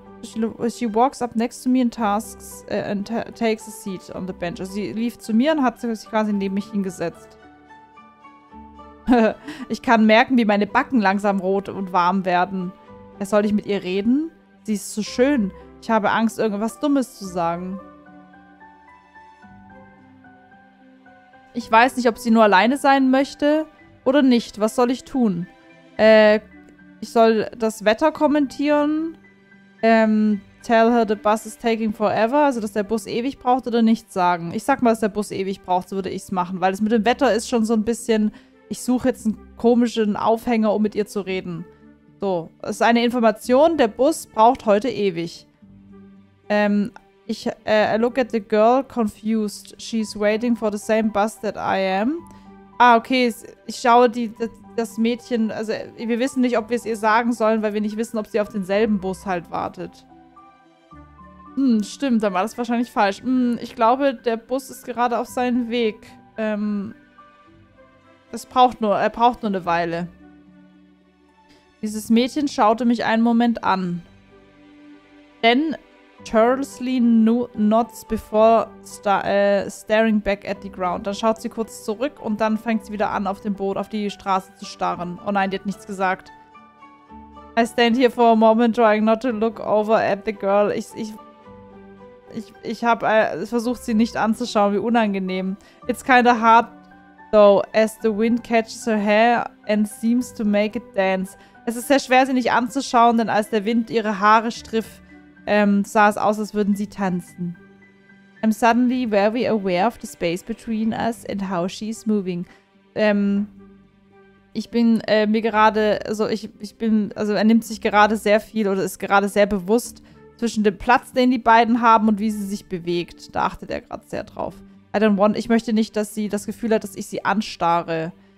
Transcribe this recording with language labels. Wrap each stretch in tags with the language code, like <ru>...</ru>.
<en>She walks up next to me and takes a seat on the bench.</en> <de>Also sie lief zu mir und hat sich quasi neben mich hingesetzt. Ich kann merken, wie meine Backen langsam rot und warm werden. Soll ich mit ihr reden? Sie ist so schön. Ich habe Angst, irgendwas Dummes zu sagen. Ich weiß nicht, ob sie nur alleine sein möchte oder nicht. Was soll ich tun? Ich soll das Wetter kommentieren.</de> <en>Tell her the bus is taking forever,</en> <de>also dass der Bus ewig braucht oder nichts sagen. Ich sag mal, dass der Bus ewig braucht, so würde ich es machen, weil es mit dem Wetter ist schon so ein bisschen, ich suche jetzt einen komischen Aufhänger, um mit ihr zu reden. So, es ist eine Information, der Bus braucht heute ewig.</de> <en>I look at the girl confused, she's waiting for the same bus that I am.</en> <de>Ah, okay, ich schaue das Mädchen, also wir wissen nicht, ob wir es ihr sagen sollen, weil wir nicht wissen, ob sie auf denselben Bus halt wartet. Hm, stimmt, dann war das wahrscheinlich falsch. Hm, ich glaube, der Bus ist gerade auf seinem Weg. Er braucht nur eine Weile. Dieses Mädchen schaute mich einen Moment an.</de> <en>Then churlishly nods before staring back at the ground.</en> <de>Dann schaut sie kurz zurück und dann fängt sie wieder an, auf dem Boot, auf die Straße zu starren. Oh nein, die hat nichts gesagt.</de> <en>I stand here for a moment trying not to look over at the girl.</en> <de>Ich versuche sie nicht anzuschauen, wie unangenehm.</de> <en>It's kind of hard though as the wind catches her hair and seems to make it dance.</en> <de>Es ist sehr schwer, sie nicht anzuschauen, denn als der Wind ihre Haare strifft, sah es aus, als würden sie tanzen.</de> <en>I'm suddenly very aware of the space between us and how she's moving.</en> <de>Er nimmt sich gerade sehr viel oder ist gerade sehr bewusst zwischen dem Platz, den die beiden haben und wie sie sich bewegt. Da achtet er gerade sehr drauf. Ich möchte nicht, dass sie das Gefühl hat, dass ich sie anstarre.</de>